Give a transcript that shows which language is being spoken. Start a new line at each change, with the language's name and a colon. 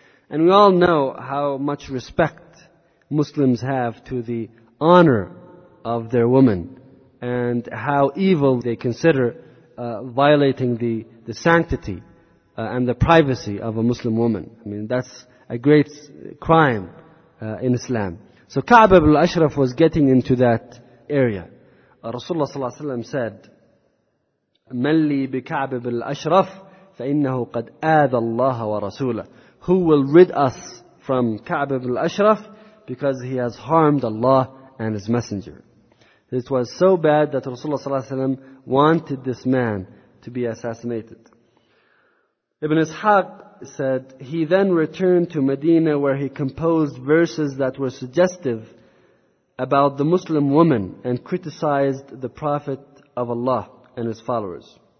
English: And we all know how much respect Muslims have to the honor of their women, and how evil they consider violating the sanctity and the privacy of a Muslim woman. I mean, that's a great crime in Islam. So Ka'b ibn al-Ashraf was getting into that area.
Arabic: Rasulullah صلى الله عليه وسلم said, "من لي بكعب بالأشرف فإنه قد آذى الله ورسوله."
English: Who will rid us from Ka'b ibn al-Ashraf? Because he has harmed Allah and his messenger. It was so bad that Rasulullah صلى الله عليه وسلم wanted this man to be assassinated. Ibn Ishaq said, "He then returned to Medina, where he composed verses that were suggestive about the Muslim woman and criticized the Prophet of Allah and his followers."